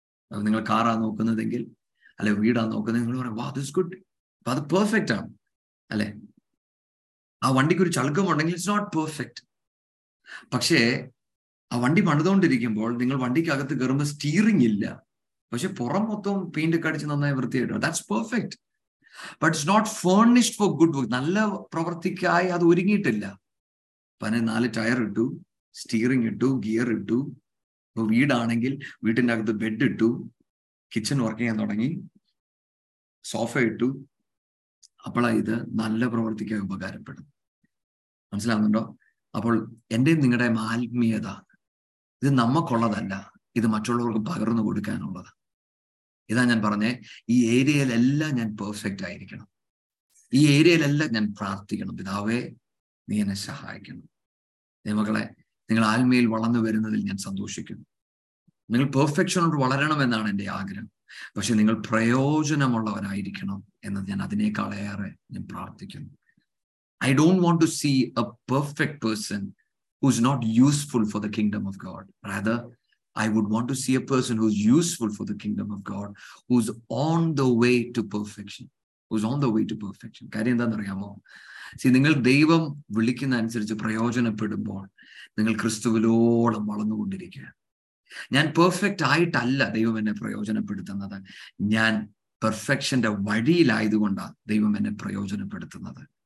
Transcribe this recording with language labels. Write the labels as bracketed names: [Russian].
[Malayalam] അത് നിങ്ങൾ കാറാണ് നോക്കുന്നതെങ്കിൽ, അല്ലെ വീടാണ് നോക്കുന്നത്, നിങ്ങൾ പറയും [English] വാ this good. [Malayalam] അപ്പൊ അത് പെർഫെക്റ്റ് ആണ് അല്ലെ. ആ വണ്ടിക്ക് ഒരു ചളുക്കം ഉണ്ടെങ്കിൽ [English] It's not perfect. [Malayalam] പക്ഷേ ആ വണ്ടി പണിതുകൊണ്ടിരിക്കുമ്പോൾ നിങ്ങൾ വണ്ടിക്കകത്ത് കയറുമ്പോൾ സ്റ്റീറിംഗ് ഇല്ല, പക്ഷെ പുറം മൊത്തം പെയിന്റ് അടിച്ച് നന്നായി വൃത്തിയായിട്ടോ, [English] That's perfect. But it's not furnished for good work. [Malayalam] നല്ല പ്രവൃത്തിക്കായി അത് ഒരുങ്ങിയിട്ടില്ല. പിന്നെ 4 ടയർ ഇട്ടു, സ്റ്റീറിംഗ് ഇട്ടു, ഗിയർ ഇട്ടു. ഇപ്പൊ വീടാണെങ്കിൽ വീട്ടിൻ്റെ അകത്ത് ബെഡ് ഇട്ടു, കിച്ചൺ വർക്ക് ചെയ്യാൻ തുടങ്ങി, സോഫ ഇട്ടു. അപ്പോളാ ഇത് നല്ല പ്രവൃത്തിക്കായി ഉപകാരപ്പെടും. മനസ്സിലാകുന്നുണ്ടോ? അപ്പോൾ എൻ്റെയും നിങ്ങളുടെയും ആത്മീയത ഇത് നമുക്കുള്ളതല്ല, ഇത് മറ്റുള്ളവർക്ക് പകർന്നു കൊടുക്കാനുള്ളതാണ്. ഇതാ ഞാൻ പറഞ്ഞേ, ഈ ഏരിയയിലെല്ലാം ഞാൻ പെർഫെക്റ്റ് ആയിരിക്കണം. ഈ ഏരിയയിലെല്ലാം ഞാൻ പ്രാർത്ഥിക്കണം. പിതാവേ, നീ എന്നെ സഹായിക്കണം. ദൈവമക്കളെ, നിങ്ങൾ ആത്മീയയിൽ വളർന്നു വരുന്നതിൽ ഞാൻ സന്തോഷിക്കുന്നു. നിങ്ങൾ പെർഫെക്ഷനോട് വളരണമെന്നാണ് എൻ്റെ ആഗ്രഹം. പക്ഷെ നിങ്ങൾ പ്രയോജനമുള്ളവരായിരിക്കണം എന്നത് ഞാൻ അതിനേക്കാളേറെ ഞാൻ പ്രാർത്ഥിക്കുന്നു. [English] I don't want to see a perfect person who's not useful for the kingdom of God. Rather I would want to see a person who's useful for the kingdom of God, who's on the way to perfection. Who's on the way to perfection. [Malayalam] കാര്യം എന്താണെന്ന് അറിയാമോ? See, നിങ്ങൾ ദൈവം വിളിക്കുന്ന അനുസരിച്ച് പ്രയോജനപ്പെടുമ്പോൾ നിങ്ങൾ ക്രിസ്തുവിലോളം വളർന്നുകൊണ്ടിരിക്കുക. ഞാൻ perfect ആയിട്ടല്ല ദൈവം എന്നെ പ്രയോജനപ്പെടുത്തുന്നത്, ഞാൻ പെർഫെക്ഷന്റെ വഴിയിലായതുകൊണ്ടാണ് ദൈവം എന്നെ പ്രയോജനപ്പെടുത്തുന്നത്.